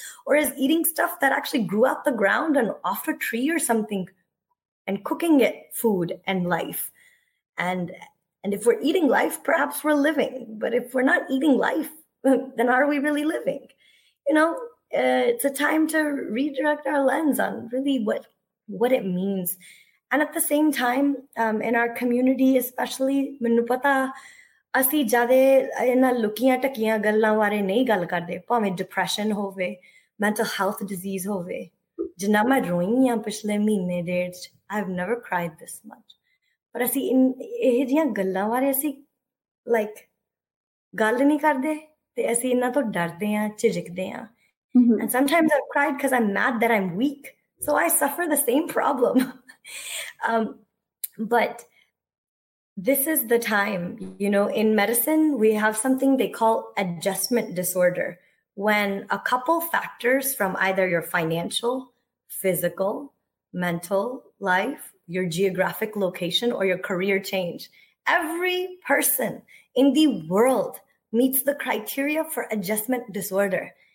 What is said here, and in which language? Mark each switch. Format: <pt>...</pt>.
<en>Or is eating stuff that actually grew out the ground and off a tree or something and cooking it food and life? And if we're eating life, perhaps we're living. But if we're not eating life, then are we really living? You know, it's a time to redirect our lens on really what it means. And at the same time, in our community, especially,</en> <pa>ਮੈਨੂੰ ਪਤਾ ਅਸੀਂ ਜ਼ਿਆਦਾ ਇਹਨਾਂ ਲੁਕੀਆਂ ਟਕੀਆਂ ਗੱਲਾਂ ਬਾਰੇ ਨਹੀਂ ਗੱਲ ਕਰਦੇ, ਭਾਵੇਂ ਡਿਪਰੈਸ਼ਨ ਹੋਵੇ, ਮੈਂਟਲ ਹੈਲਥ ਡਿਜ਼ੀਜ਼ ਹੋਵੇ. ਜਿੰਨਾ ਮੈਂ ਰੋਈ ਹਾਂ ਪਿਛਲੇ ਮਹੀਨੇ ਡੇਢ 'ਚ,</pa> <en>I have never cried this much.</en> <pa>ਪਰ ਅਸੀਂ ਇਹੋ ਜਿਹੀਆਂ ਗੱਲਾਂ ਬਾਰੇ ਅਸੀਂ ਲਾਈਕ ਗੱਲ ਨਹੀਂ ਕਰਦੇ ਅਤੇ ਅਸੀਂ ਇਹਨਾਂ ਤੋਂ ਡਰਦੇ ਹਾਂ, ਝਿਜਕਦੇ ਹਾਂ.</pa> <en>And sometimes I have cried because I am mad that I am weak, so I suffer the same problem. But this is the time, you know, in medicine, we have something they call adjustment disorder. When a couple factors from either your financial, physical, mental life, your geographic location, or your career change, every person in the world meets the criteria for adjustment disorder.</en>